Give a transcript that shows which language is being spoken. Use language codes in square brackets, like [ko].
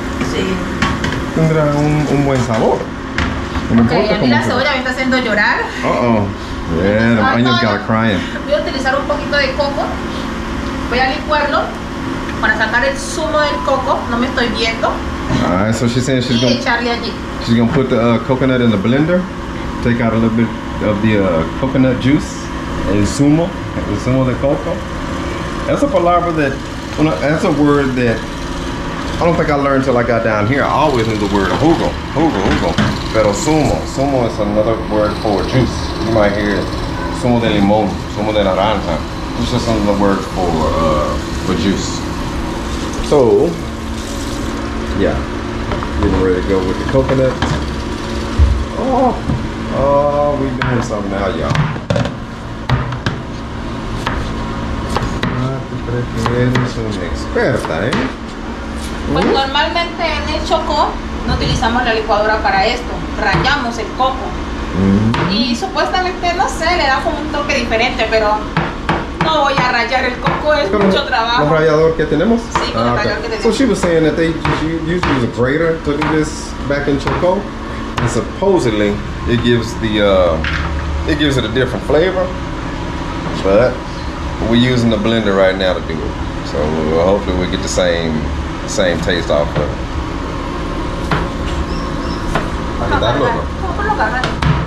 [es] Sí. Tendrá un buen sabor. No me importa cómo la cebolla me está haciendo llorar. [en] Uh-oh. Yeah, the onion's got crying. [es] Voy a utilizar un poquito de coco. Voy a licuarlo para sacar el zumo del coco. No me estoy viendo. [en] All right, so she's saying she's going to echarle allí. She's going to put the coconut in the blender. Take out a little bit of the coconut juice. El zumo de coco. That's a palabra that, that's a word that I don't think I learned until I got down here. I always knew the word jugo, jugo, jugo. Pero zumo, zumo is another word for juice. You might hear it. Zumo de limón, zumo de naranja. It's just another word for juice. So, yeah, getting ready to go with the coconut. Oh, we doing something now, y'all. [es] Es una experta, ¿eh? Pues normalmente en el Chocó no utilizamos la licuadora para esto, rallamos el coco. Mm-hmm. Y supuestamente, no sé, le da como un toque diferente, pero no voy a rallar el coco, es pero mucho trabajo. ¿El rallador que tenemos? Sí, con el rallador que tenemos. [en] So she was saying that they usually use a grater to do this back in Chocó, and supposedly it gives it a different flavor, but we're using the blender right now to do it, so hopefully we get the same taste off of it.